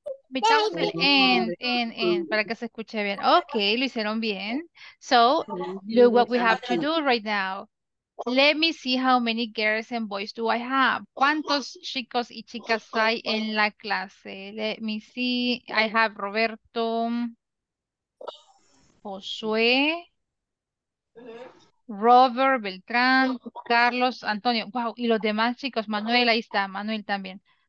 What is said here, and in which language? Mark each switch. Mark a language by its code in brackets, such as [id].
[es] Metamos el en para que se escuche bien. Okay, lo hicieron bien. [en] So, look what we have to do right now. Let me see how many girls and boys do I have. [es] ¿Cuántos chicos y chicas hay en la clase? [en] Let me see. I have Roberto, Josué, Robert, Beltrán, Carlos, Antonio. [es] Wow, y los demás chicos. Manuel, ahí está. Manuel también.